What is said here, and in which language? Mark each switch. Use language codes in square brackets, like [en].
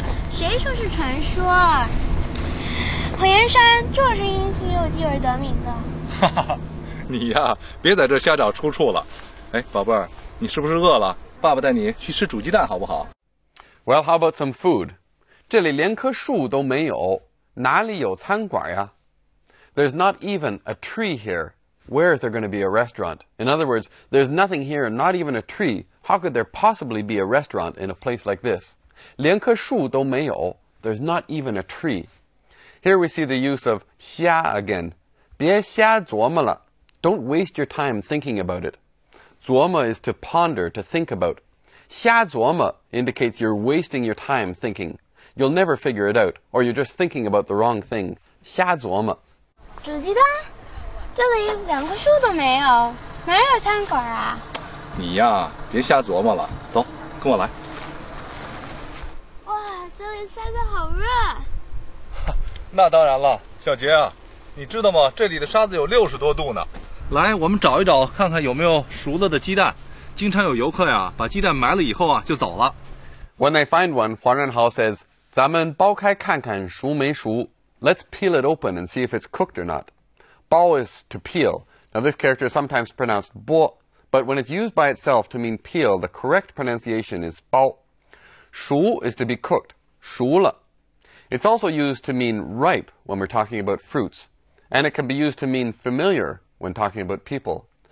[zh] 谁说是传说？火焰山就是因西游记而得名的。你呀别在这瞎找出处了。哎，宝贝儿，你是不是饿了？爸爸带你去吃煮鸡蛋好不好？ [en] Well, how about some food? [zh] 这里连棵树都没有，哪里有餐馆呀？ [en] There's not even a tree here. Where is there going to be a restaurant? In other words, there's nothing here, not even a tree. How could there possibly be a restaurant in a place like this? [zh] 连棵树都没有， [en] there's not even a tree. Here we see the use of 瞎 again. [zh] 别瞎琢磨了。 [en] Don't waste your time thinking about it. [zh] 琢磨 [en] is to ponder, to think about. [zh] 瞎琢磨 [en] indicates you're wasting your time thinking. You'll never figure it out, or you're just thinking about the wrong thing. [zh] 瞎琢磨。煮鸡蛋？这里两棵树都没有，哪有餐馆啊？你呀，别瞎琢磨了，走，跟我来。哇，这里晒得好热。那当然了，小杰啊，你知道吗？这里的沙子有60多度呢。来，我们找一找，看看有没有熟了的鸡蛋。经常有游客呀，把鸡蛋埋了以后啊，就走了。 [en] When they find one, Huang Renhao says, [zh] 咱们剥开看看熟没熟。 [en] Let's peel it open and see if it's cooked or not. [zh] 剥 [en] is to peel. Now this character is sometimes pronounced [zh] 剥, [en] but when it's used by itself to mean peel, the correct pronunciation is 剥. [zh] 熟 [en] is to be cooked, [zh] 熟了。 [en] It's also used to mean ripe when we're talking about fruits, and it can be used to mean familiar,when talking about people.